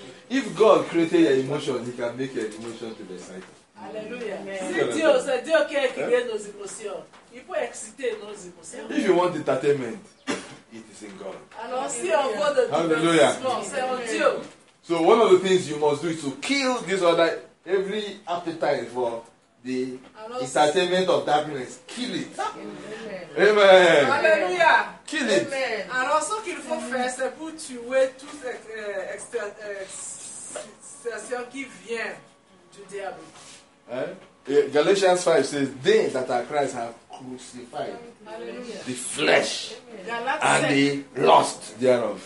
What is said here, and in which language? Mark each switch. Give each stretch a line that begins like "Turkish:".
English: If God created your emotion, He can make your emotion to be excited.
French: Hallelujah. C'est Dieu qui a créé nos émotions. Il peut exciter nos émotions.
English: If you want entertainment, it is in God.
French: Alors si on veut de divertissement, c'est en Dieu.
English: So one of the things you must do is to kill this other every appetite for the entertainment of darkness. Kill it. Amen. Amen. Hallelujah. Kill it.
French: Alors, ce qu'il faut faire, c'est pour tuer toute situation qui vient du diable.
English: Galatians 5 says, they that are Christ have crucified the flesh and the lust thereof.